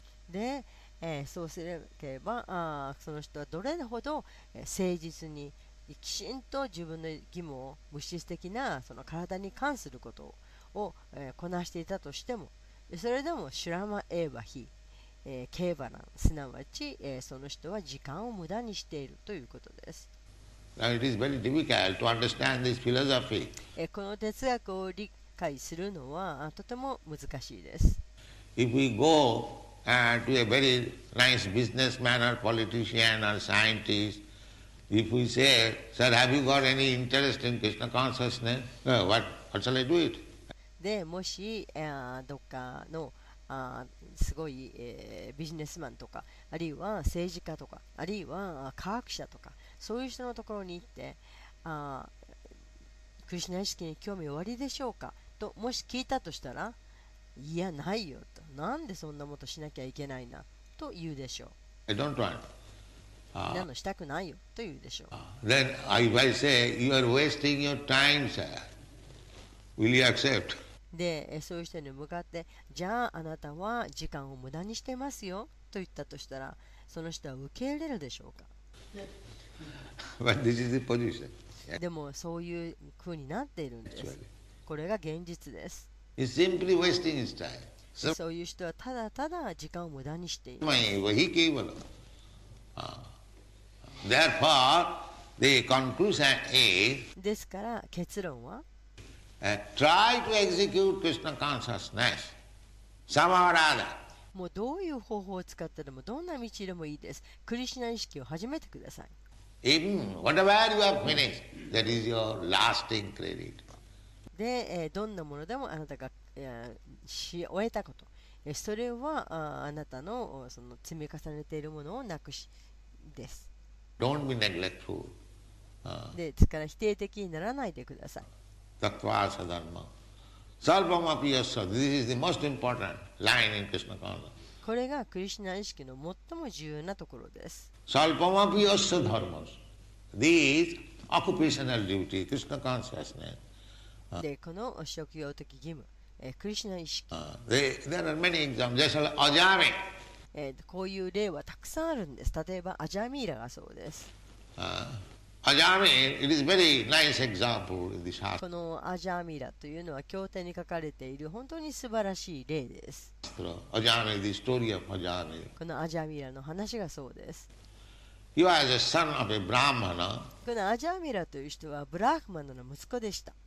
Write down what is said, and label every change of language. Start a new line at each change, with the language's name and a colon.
Japanese: で、そうすれば、その人はどれほど誠実にきちんと自分の義務を物質的なその体に関することを、こなしていたとしても、それでもシュラマエーバヒ、ケーバラン、すなわち、その人は時間を無駄にしているということです。
English: Now it is very difficult to understand this philosophy.
Japanese: この哲学を理解するのはとても難しいです。
English: If we goto a very nice businessman or politician or scientist, if we say, Sir, have you got any interest in Krishna consciousness? No, what shall I do it?
Japanese: で、もし、どっかの、すごい、ビジネスマンとか、あるいは政治家とか、あるいは科学者とか、そういう人のところに行って、クリシナ意識に興味おありでしょうかと、もし聞いたとしたら、いや、ないよと。なんでそんなことしなきゃいけないなと言うでしょう。
English: I don't want.
Japanese: なのしたくないよと言うでしょう。
English: Then if I say, you are wasting your time, sir, will you accept?
Japanese: で、そういう人に向かって、じゃああなたは時間を無駄にしてますよと言ったとしたら、その人は受け入れるでしょうか。
English: But this is the position.
Japanese: でも、そういう風になっているんです。これが現実です。
English: He's simply wasting his time.
Japanese: そういう人はただただ時間を無駄にしている。
English: He gave up. Therefore, the conclusion is.
Japanese: ですから結論は。
English: Try to execute Krishna consciousness. Somehow or other.
Japanese: もうどういう方法を使ってでもどんな道でもいいです。クリシナ意識を始めてください。
English: Even whatever you have finished, that is your lasting credit.
Japanese: で、どんなものでもあなたが、し終えたこと、それは あなたの、その積み重ねているものをなくしです。
English: Don't be neglectful.
Japanese: で、ですから否定的にならないでください。
Sanskrit: Tattva sadharma. Sarvam api yasya.
English: This is the most important line in Krishna consciousness.
Japanese: これがクリシナ意識の最も重要なところです。
Sanskrit: Sarvam api yasya dharma.
English: These occupational duty, Krishna consciousness.
Japanese: で、この職業的義務、クリシナ意識、
English: there are many examples. アジャミ、
Japanese: こういう例はたくさんあるんです。例えばアジャミーラがそうです。
English: アジャミー、it is very nice example in this house.
Japanese: このアジャミーラというのは経典に書かれている本当に素晴らしい例です。
English: アジャミー、the story of アジャミ
Japanese: ー、このアジャミーラの話がそうです。
English: He was a son of a Brahmana.
Japanese: このアジャミーラという人はブラフマナの息子でした。